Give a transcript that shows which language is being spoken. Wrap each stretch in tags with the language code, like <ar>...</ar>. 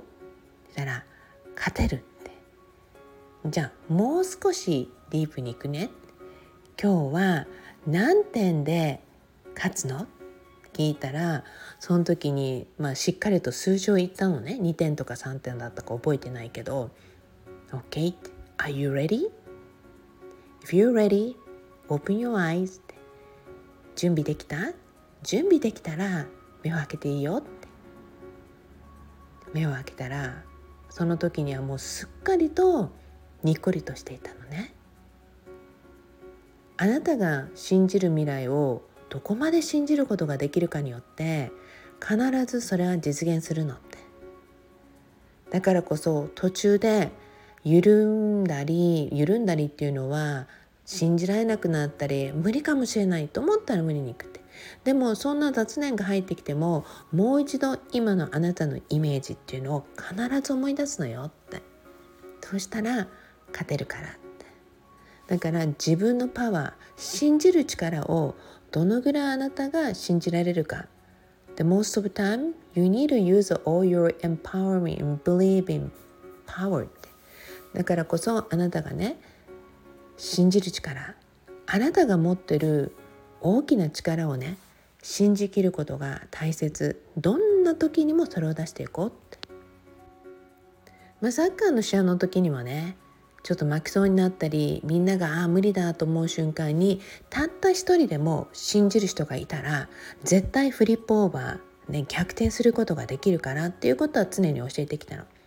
<ja>って言ったら勝てるって。じゃあもう少しディープに行くね、今日は何点で勝つの？聞いたら、その時に、しっかりと数字を言ったのね。 2点とか3点だったか覚えてないけど、</ja> <en>OK? Are you ready? If you're ready, open your eyes.</en> <ja>準備できた？準備できたら目を開けていいよって。目を開けたらその時にはもうすっかりとにっこりとしていたのね。あなたが信じる未来をどこまで信じることができるかによって、必ずそれは実現するのって。だからこそ途中で緩んだりっていうのは、信じられなくなったり無理かもしれないと思ったら無理にいくって。でもそんな雑念が入ってきても、もう一度今のあなたのイメージっていうのを必ず思い出すのよって。そうしたら勝てるから。だから自分のパワー、信じる力をどのぐらいあなたが信じられるか。</ja> <en>The most of the time you need to use all your empowering and believing power.</en> <ja>だからこそあなたがね、信じる力、あなたが持ってる大きな力をね、信じきることが大切。どんな時にもそれを出していこうって。サッカーの試合の時にはね、ちょっと負けそうになったり、みんながああ無理だと思う瞬間に、たった一人でも信じる人がいたら、絶対フリップオーバー、ね、逆転することができるからっていうことは常に教えてきたの。</ja>